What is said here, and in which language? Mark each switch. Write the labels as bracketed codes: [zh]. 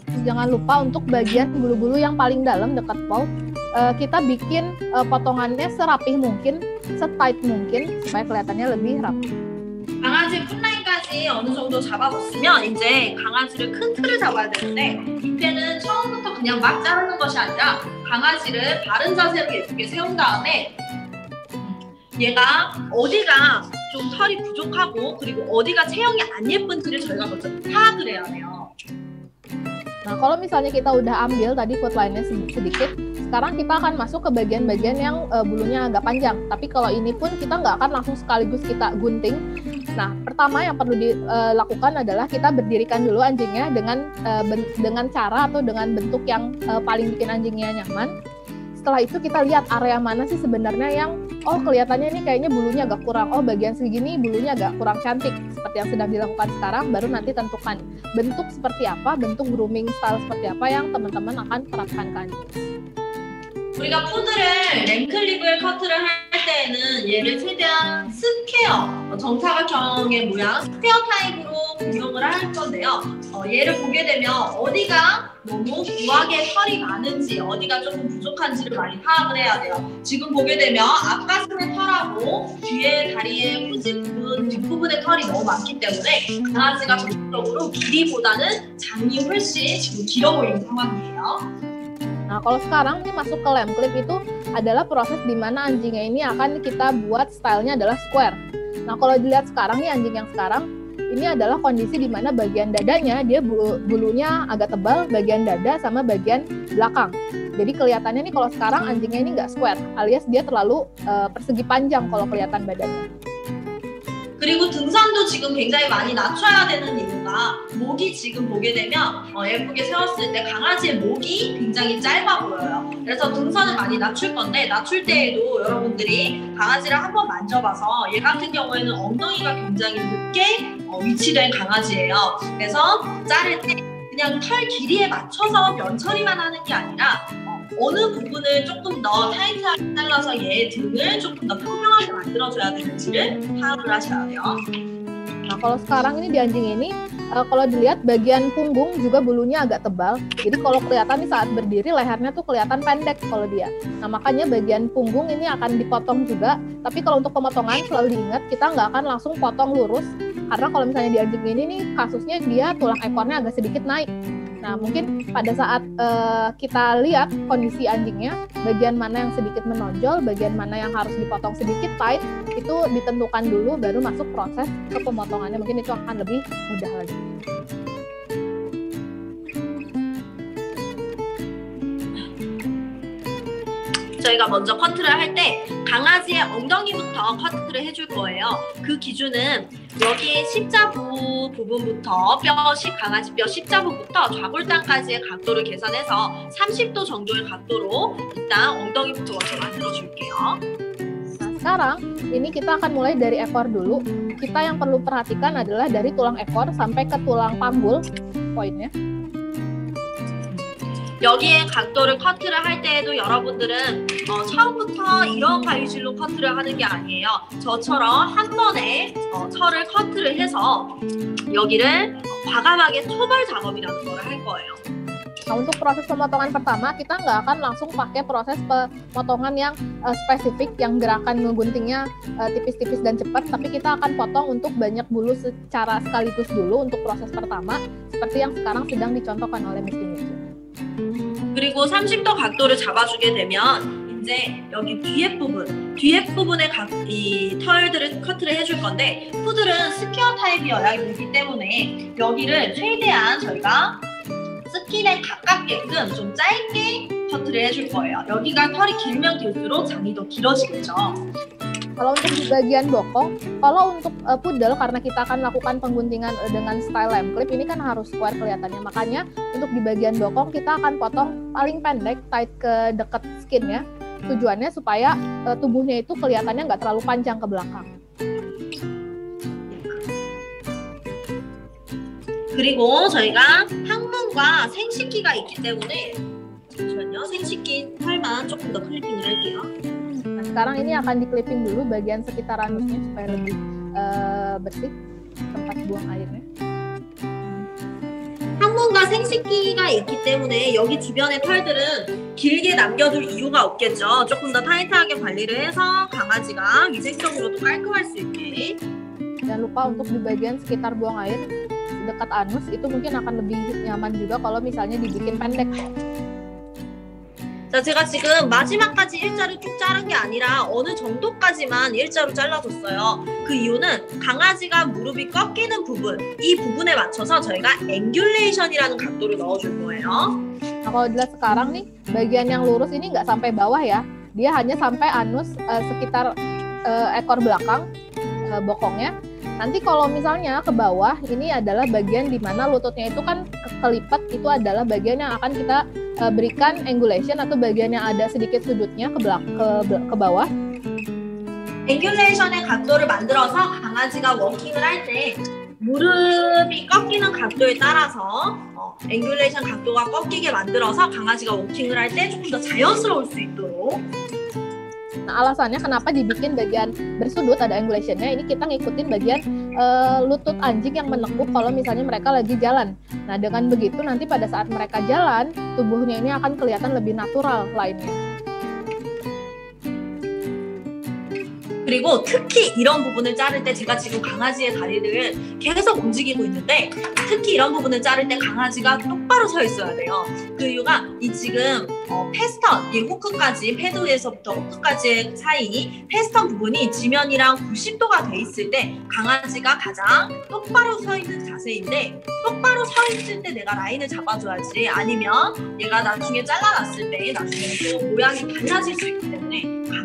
[id] Jangan lupa untuk bagian bulu-bulu yang paling dalam dekat paw, kita bikin potongannya serapih mungkin, setight mungkin supaya kelihatannya lebih rapi. [ko] 강아지 풋라인까지 어느 정도 잡아봤으면 이제 강아지를 큰 틀을 잡아야 되는데 이때는 처음부터 그냥 막 자르는 것이 아니라 강아지를 바른 자세로 예쁘게 세운 다음에 얘가 어디가 좀 털이 부족하고 그리고 어디가 체형이 안 예쁜지를 저희가 먼저 파악을 해야 돼요. [id] Nah, kalau misalnya kita udah ambil tadi food line-nya sedikit, sekarang kita akan masuk ke bagian-bagian yang bulunya agak panjang. Tapi kalau ini pun kita nggak akan langsung sekaligus kita gunting. Nah, pertama yang perlu dilakukan adalah kita berdirikan dulu anjingnya dengan cara atau dengan bentuk yang paling bikin anjingnya nyaman. Setelah itu kita lihat area mana sih sebenarnya yang, oh kelihatannya ini kayaknya bulunya agak kurang, oh bagian segini bulunya agak kurang cantik, seperti yang sedang dilakukan sekarang, baru nanti tentukan bentuk seperti apa, bentuk grooming style seperti apa yang teman-teman akan terapkan ke anjing. [ko] 우리가 푸드를 랭클립을 커트를 할 때에는 얘를 최대한 스퀘어, 정사각형의 모양, 스퀘어 타입으로 구성을 할 건데요. 얘를 보게 되면 어디가 너무 부하게 털이 많은지, 어디가 조금 부족한지를 많이 파악을 해야 돼요. 지금 보게 되면 앞가슴의 털하고 뒤에 다리의 후지근 뒷부분의 털이 너무 많기 때문에 강아지가 전체적으로 길이보다는 장이 훨씬 지금 길어 보이는 상황이에요. [id] Nah, kalau sekarang ini masuk ke lamp clip itu adalah proses di mana anjingnya ini akan kita buat stylenya adalah square. Nah, kalau dilihat sekarang nih anjing yang sekarang, ini adalah kondisi di mana bagian dadanya, dia bulunya agak tebal, bagian dada sama bagian belakang. Jadi kelihatannya nih kalau sekarang anjingnya ini nggak square, alias dia terlalu persegi panjang kalau kelihatan badannya. [ko] 그리고 등산도 지금 굉장히 많이 낮춰야 되는 이유가 목이 지금 보게 되면 예쁘게 세웠을 때 강아지의 목이 굉장히 짧아 보여요. 그래서 등산을 많이 낮출 건데 낮출 때에도 여러분들이 강아지를 한번 만져봐서 얘 같은 경우에는 엉덩이가 굉장히 높게 위치된 강아지예요. 그래서 자를 때 그냥 털 길이에 맞춰서 면 처리만 하는 게 아니라 어느 부분을 조금 더 타이트하게 잘라서 얘 등을 조금 더 평평하게 만들어줘야 되는지를 파악을 하셔야 돼요. [id] Nah, kalau sekarang ini di anjing ini, kalau dilihat bagian punggung juga bulunya agak tebal. Jadi kalau kelihatan nih saat berdiri, lehernya tuh kelihatan pendek kalau dia. Nah, makanya bagian punggung ini akan dipotong juga. Tapi kalau untuk pemotongan, selalu diingat kita nggak akan langsung potong lurus. Karena kalau misalnya di anjing ini nih, kasusnya dia tulang ekornya agak sedikit naik. Nah, mungkin pada saat kita lihat kondisi anjingnya, bagian mana yang sedikit menonjol, bagian mana yang harus dipotong sedikit tight, itu ditentukan dulu, baru masuk proses ke pemotongannya. Mungkin itu akan lebih mudah lagi. Kita [ko] 먼저 커트를 할 때 강아지의 엉덩이부터 커트를 해줄 거예요. 그 기준은 여기 십자부 부분부터 뼈식 강아지 뼈 십자부부터 좌골단까지의 각도를 계산해서 30도 정도의 각도로 일단 엉덩이부터 먼저 만들어 줄게요. [id] Sekarang ini kita akan mulai dari ekor dulu. Kita yang perlu perhatikan adalah dari tulang ekor sampai ke tulang panggul poinnya. [ko] 여기에 각도를 커트를 할 때에도 여러분들은 처음부터 이런 가위질로 커트를 하는 게 아니에요. 저처럼 한 번에 털을 커트를 해서 여기를 과감하게 초벌 작업이라는 걸 할 거예요. [id] Nah, untuk proses pemotongan pertama, kita nggak akan langsung pakai proses pemotongan yang spesifik, yang gerakan mengguntingnya tipis-tipis dan cepat, tapi kita akan potong untuk banyak bulu secara sekaligus dulu untuk proses pertama, seperti yang sekarang sedang dicontohkan oleh Miss Kimi. [ko] 그리고 30도 각도를 잡아주게 되면 이제 여기 뒤에 부분의 이 털들을 커트를 해줄 건데 푸들은 스퀘어 타입이어야 되기 때문에 여기를 최대한 저희가 스킨에 가깝게끔 좀 짧게 커트를 해줄 거예요. 여기가 털이 길면 길수록 장이 더 길어지겠죠. [id] Kalau untuk di bagian bokong, kalau untuk poodle, karena kita akan lakukan pengguntingan dengan style lamp clip, ini kan harus square kelihatannya. Makanya untuk di bagian bokong, kita akan potong paling pendek, tight ke dekat skinnya. Tujuannya supaya tubuhnya itu kelihatannya nggak terlalu panjang ke belakang. [ko] 그리고 저희가 항문과 생식기가 있기 때문에 잠시만요, 생식기 털만 조금 더 클리핑을 할게요. [id] Sekarang ini akan di-clipping dulu bagian sekitar anusnya supaya lebih bersih tempat buang airnya. [ko] 항문과 생식기가 있기 때문에 여기 주변의 털들은 길게 남겨둘 이유가 없겠죠. 조금 더 타이트하게 관리를 해서 강아지가 위생적으로도 깔끔할 수 있게. [id] Jangan lupa untuk di bagian sekitar buang air dekat anus itu mungkin akan lebih nyaman juga kalau misalnya dibikin pendek. [ko] 자, 제가 지금 마지막까지 일자를 쭉 자른 게 아니라 어느 정도까지만 일자로 잘라줬어요. 그 이유는 강아지가 무릎이 꺾이는 부분, 이 부분에 맞춰서 저희가 앵귤레이션이라는 각도를 넣어줄 거예요. 아, 그럼 [id] dilihat sekarang nih, bagian yang lurus ini enggak sampai bawah ya. Dia hanya sampai anus sekitar ekor belakang bokongnya. Nanti kalau misalnya ke bawah, ini adalah bagian di mana lututnya itu kan kelipat, itu adalah bagian yang akan kita berikan angulation atau bagian yang ada sedikit sudutnya ke bawah. [ko] Angulation의 각도를 만들어서 강아지가 워킹을 할 때 무릎이 꺾이는 각도에 따라서 angulation 각도가 꺾이게 만들어서 강아지가 워킹을 할 때 조금 더 자연스러울 수 있도록. [id] Nah, alasannya kenapa dibikin bagian bersudut ada angulationnya, ini kita ngikutin bagian lutut anjing yang menekuk kalau misalnya mereka lagi jalan. Nah, dengan begitu nanti pada saat mereka jalan, tubuhnya ini akan kelihatan lebih natural lainnya. [ko] 그리고 특히 이런 부분을 자를 때 제가 지금 강아지의 다리를 계속 움직이고 있는데 특히 이런 부분을 자를 때 강아지가 똑바로 서 있어야 돼요. 그 이유가 이 지금 패스턴, 이 후크까지 패드에서부터 후크까지의 사이 패스턴 부분이 지면이랑 90도가 돼 있을 때 강아지가 가장 똑바로 서 있는 자세인데 똑바로 서 있을 때 내가 라인을 잡아줘야지 아니면 얘가 나중에 잘라놨을 때 나중에 또 모양이 달라질 수 있기 때문에